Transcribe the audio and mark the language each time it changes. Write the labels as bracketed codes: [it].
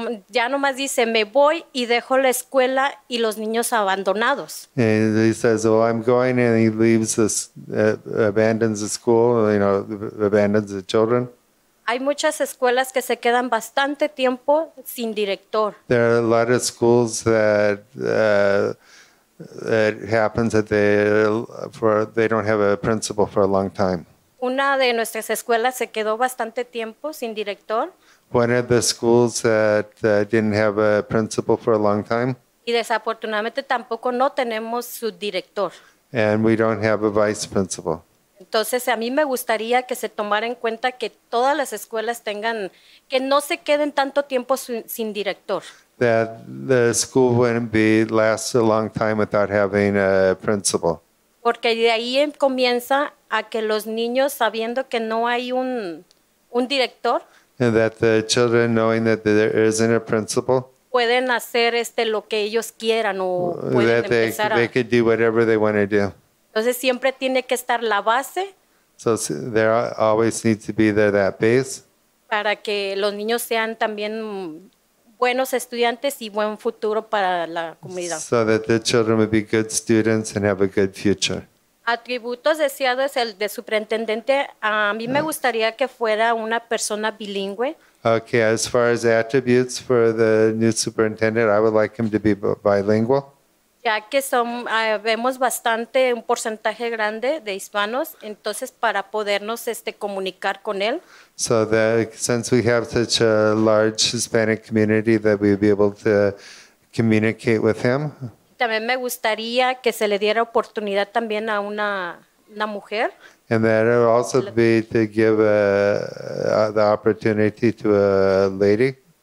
[es] Ya nomás dice, me voy y dejo la escuela y los niños abandonados. [en] And he says, well, I'm going, and he leaves this, abandons the school, abandons the children. [es] Hay muchas escuelas que se quedan bastante tiempo sin director. [en] There are a lot of schools that that happens that they don't have a principal for a long time. [es] Una de nuestras escuelas se quedó bastante tiempo sin director. [en] One of the schools that didn't have a principal for a long time. [es] Y desafortunadamente tampoco no tenemos su director. [en] And we don't have a vice principal. [es] Entonces a mí me gustaría que se tomara en cuenta que todas las escuelas tengan, que no se queden tanto tiempo sin director. [en] That the school wouldn't be last a long time without having a principal. [es] Porque de ahí comienza a que los niños, sabiendo que no hay un director, [en] and that the children, knowing that there isn't a principal, [es] pueden hacer lo que ellos quieran, o [en] that they could do whatever they want to do. [es] Entonces, siempre tiene que estar la base. [en] So there always needs to be there that base. [es] Para que los niños sean también buenos estudiantes y buen futuro para la comunidad. [en] So that the children would be good students and have a good future. [es] Atributos deseados el de superintendente, a mí me gustaría que fuera una persona bilingüe. [en] Okay, as far as attributes for the new superintendent, I would like him to be bilingual. [es] Ya que vemos bastante, un porcentaje grande de hispanos, entonces para podernos comunicar con él. [en] So that since we have such a large Hispanic community that we'd be able to communicate with him. [es] También me gustaría que se le diera oportunidad también a una mujer. [en] And that it would also be to give the opportunity to a lady.